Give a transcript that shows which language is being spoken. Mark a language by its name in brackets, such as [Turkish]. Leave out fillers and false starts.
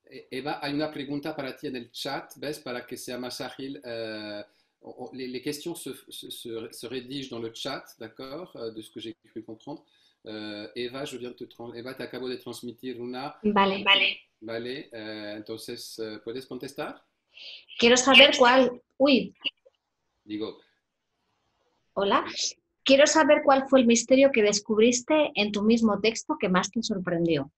[Spanish] Eva, hay una pregunta para ti en el chat, ¿ves? Para que sea más ágil. [French] Les questions se rédigent dans le chat, d'accord, de ce que j'ai pu comprendre. Eva, je viens de te transmettre. Eva, [Spanish] tu acabas de transmitir una. Vale, vale. Vale, entonces, ¿puedes contestar? Quiero saber cuál... Uy. Digo. Hola. Quiero saber cuál fue el misterio que descubriste en tu mismo texto que más te sorprendió.